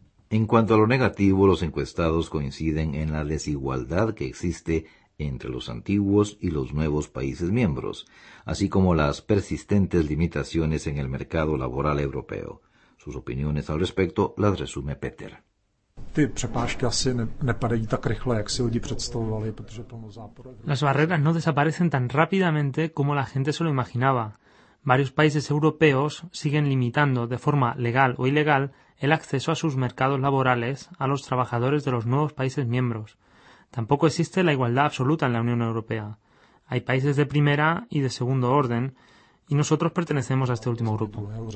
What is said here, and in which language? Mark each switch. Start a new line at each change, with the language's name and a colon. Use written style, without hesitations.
Spanish: En cuanto a lo negativo, los encuestados coinciden en la desigualdad que existe entre los antiguos y los nuevos países miembros, así como las persistentes limitaciones en el mercado laboral europeo. Sus opiniones al respecto las resume Peter.
Czech: ty přepážky asi nepadají tak rychle, jak si lidi představovali, protože plno záporů.
Spanish: Las barreras no desaparecen tan rápidamente como la gente se lo imaginaba. Varios países europeos siguen limitando de forma legal o ilegal el acceso a sus mercados laborales a los trabajadores de los nuevos países miembros. Tampoco existe la igualdad absoluta en la Unión Europea. Hay países de primera y de segundo orden y nosotros pertenecemos a este último grupo.